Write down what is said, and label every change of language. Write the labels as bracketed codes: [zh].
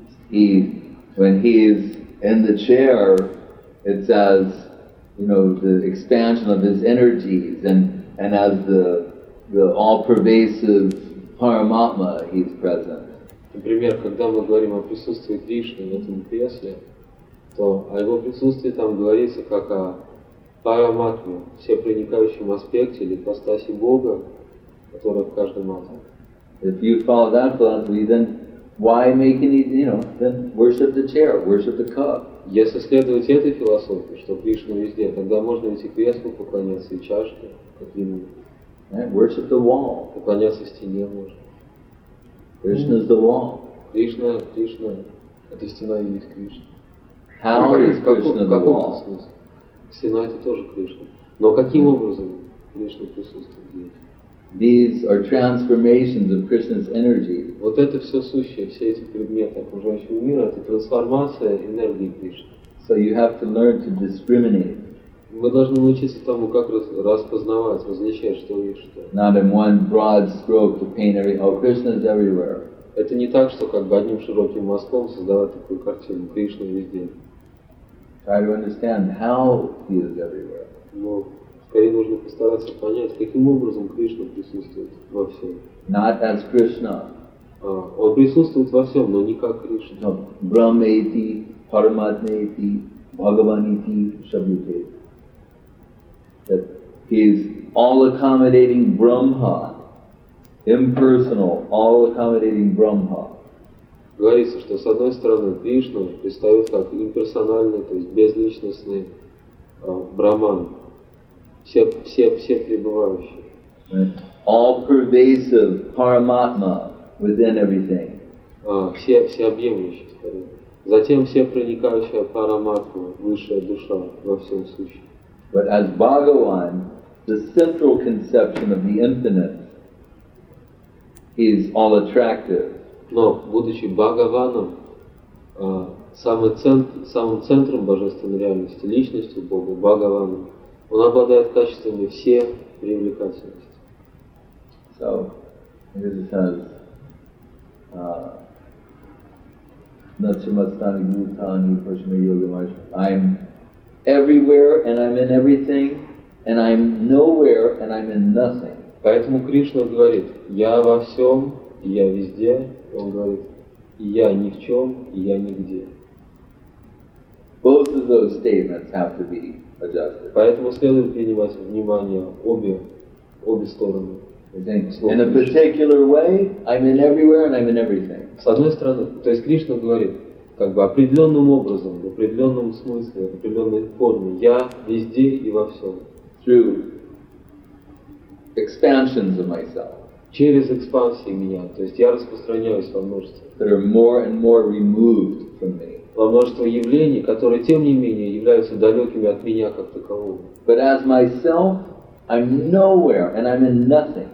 [en] He, when he is in the chair, it says, you know, the expansion of his energies and as the all-pervasive Paramatma, he's present. [ru] Например, когда мы говорим о присутствии Кришны в этом кресле, то о его присутствии там говорится как о Параматме, всепроникающем аспекте или ипостаси Бога, которая в каждом атоме. [en] If you follow that philosophy, then why make any, you know, then worship the chair, worship the cup. [ru] Если следовать этой философии, что Кришна везде, тогда можно идти к креслу, поклоняться и чашке, каким-нибудь. [en] Worship the wall. [ru] Поклоняться стене можно. [en] Krishna is the wall. [ru] Krishna, Krishna. Это стена и есть Кришна. [en] How is Krishna the wall? [ru] Стена это тоже Кришна. Но каким образом Кришна присутствует здесь? [en] These are transformations of Krishna's energy. [ru] Вот это все сущее, все эти предметы окружающего мира, это трансформация энергии Кришны. [en] So you have to learn to discriminate. [ru] Вы должны научиться тому, как распознавать, различать, что есть что. [en] Not in one broad stroke to paint every. Oh, Krishna is everywhere. [ru] Это не так, что как бы одним широким мазком создавать такую картину. Кришна везде. [en] Try to understand how he is everywhere. [ru] Ну, скорее нужно постараться понять, каким образом Кришна присутствует во всем. [en] Not as Krishna. [ru] Он присутствует во всем, но не как Кришна. [en] No. [sa] Брахмати, Параматмати, Бхагаванити, Шабдити. [en] That he is all-accommodating Brahma, impersonal, all-accommodating Brahma. [ru] Говорится, что с одной стороны Кришна предстает как имперсональный, то есть безличностный Брахман, все пребывающие. [en] All-pervasive Paramatma within everything. [ru] Всеобъемлющий, скорее. Затем всепроникающая Параматма, высшая душа во всем сущем. [en] But as Bhagavan, the central conception of the infinite, he is all attractive. [ru] Но будучи Бхагаваном, самым центром божественной реальности, личностью Бога, Бхагаваном, он обладает качествами все привлекательности. [en] So, here it says, [sa] Natsimastani Gutani Pashma Yoga Marsha. [en] I'm everywhere and I'm in everything, and I'm nowhere and I'm in nothing. [ru] Поэтому Кришна говорит, я во всем, и я везде. Он говорит, я ни в чем, и я нигде. [en] Both of those statements have to be adjusted. [ru] Поэтому следует принимать внимание обе стороны. [en] In a particular way, I'm in everywhere and I'm in everything. [ru] С одной стороны, то есть Кришна говорит, как бы определенным образом, в определенном смысле, в определенной форме, я везде и во всем. [en] Through expansions of myself. [ru] Через экспансии меня, то есть я распространяюсь во множество. [en] That are more and more removed from me. [ru] Во множество явлений, которые тем не менее являются далекими от меня как такового. [en] But as myself, I'm nowhere and I'm in nothing.